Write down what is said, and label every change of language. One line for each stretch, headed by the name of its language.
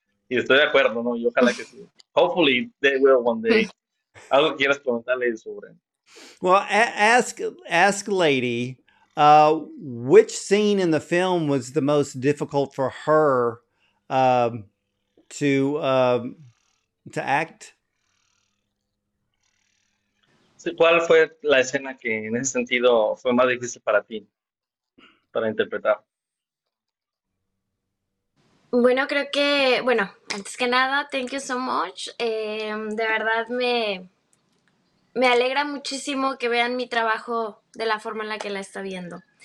Spanish: Y estoy de acuerdo, ¿no? Y ojalá que sí.
English: Hopefully they will one day.
Spanish: ¿Algo quieres comentarle sobre?
English: Well, ask Lady, which scene in the film was the most difficult for her to act?
Spanish: ¿Cuál fue la escena que en ese sentido fue más difícil para ti, para interpretar? Bueno, creo que, bueno, antes que nada,
English: thank you so much.
Spanish: De verdad me alegra muchísimo que vean mi trabajo de la forma en la que la está viendo.